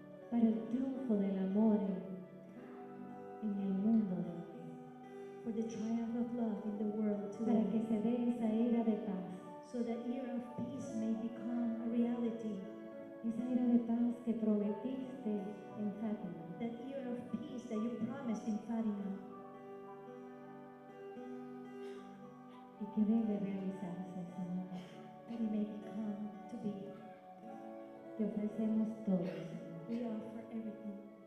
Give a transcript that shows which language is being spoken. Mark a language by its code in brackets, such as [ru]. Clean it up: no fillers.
[es] para el triunfo del amor en el mundo de hoy, [en] for the triumph of love in the world today, [es] para que se dé esa era de paz, [en] so that era of peace may become a reality. [es] Esa era de paz que prometiste en Fátima. [en] That year of peace that you promised in Fátima. [es] Y que debe realizarse, Señor. [en] That it may come to be. [es] Te ofrecemos todo, Señor. [en] We offer everything.